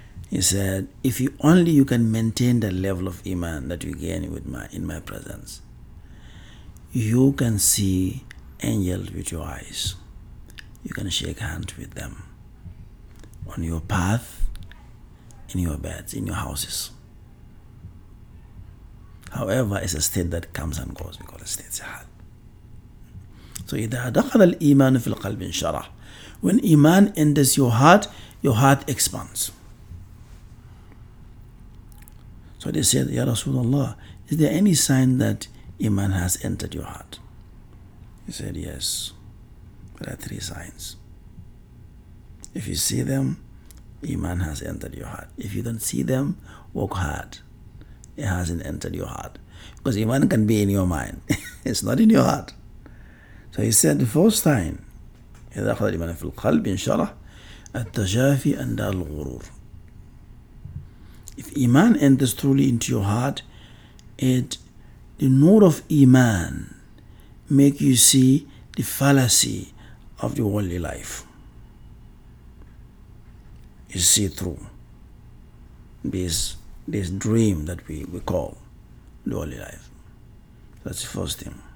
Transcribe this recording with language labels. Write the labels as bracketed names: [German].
[English] He said, if you only you can maintain the level of iman that you gain with in my presence, you can see angels with your eyes. You can shake hands with them on your path, in your beds, in your houses. However, it's a state that comes and goes. We call it state sahad. [Arabic] So إذا دخل الإيمان في القلب انشرح. [English] When iman enters your heart expands. So they said, Ya Rasulullah, is there any sign that iman has entered your heart? He said, yes. There are three signs. If you see them, iman has entered your heart. If you don't see them, work hard. It hasn't entered your heart. Because iman can be in your mind. It's not in your heart. So he said the first time, [Arabic] إذا أخذ الإيمان في القلب انشرح التجافي عند الغرور. [English] If iman enters truly into your heart, the nur of iman make you see the fallacy of the worldly life. You see through this dream that we call the worldly life. That's the first thing.